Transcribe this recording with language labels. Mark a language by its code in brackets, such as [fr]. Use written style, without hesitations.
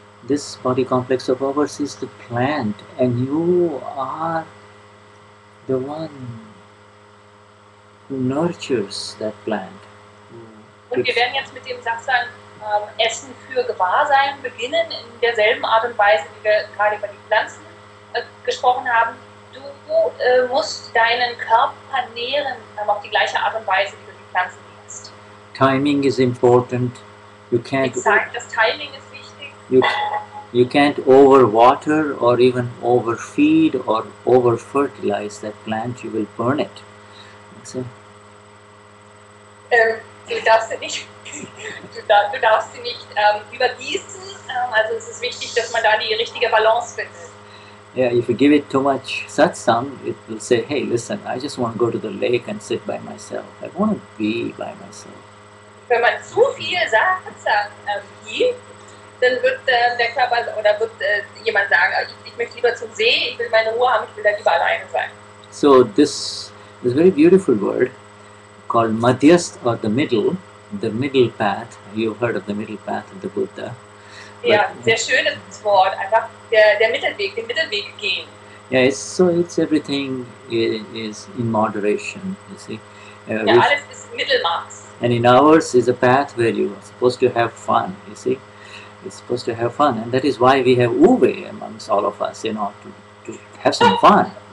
[en] This body complex of ours is the plant, and you are the one who nurtures that plant. [de] Und wir werden jetzt mit dem Satsang Essen für Gewahrsein beginnen, in derselben Art und Weise, wie wir gerade über die Pflanzen gesprochen haben. Du musst deinen Körper nähren, auf die gleiche Art und Weise, wie du die Pflanzen nährst. [en] Timing is important. You can't. [de] Exakt, das Timing ist wichtig. [en] You can't overwater or even overfeed or overfertilize that plant. You will burn it. So. [de] Du darfst sie nicht übergießen. Also es ist wichtig, dass man da die richtige Balance findet. [en] Yeah, if you give it too much satsang, it will say, hey, listen, I just want to go to the lake and sit by myself. I want to be by myself. [de] Wenn man zu viel Satsang gibt, dann wird der Körper oder wird jemand sagen, ich möchte lieber zum See, ich will meine Ruhe haben, ich will da lieber alleine sein. [en] So this very beautiful word called Madhyast, or the middle path. You've heard of the middle path of the Buddha. [de] Yeah, sehr schönes Wort, einfach der Mittelweg, den Mittelweg gehen. [en] Yeah, it's everything is in moderation, you see. Aleph is middle marks. And in ours is a path where you are supposed to have fun, you see. You're supposed to have fun. And that is why we have Uwe amongst all of us, you know, to have some fun.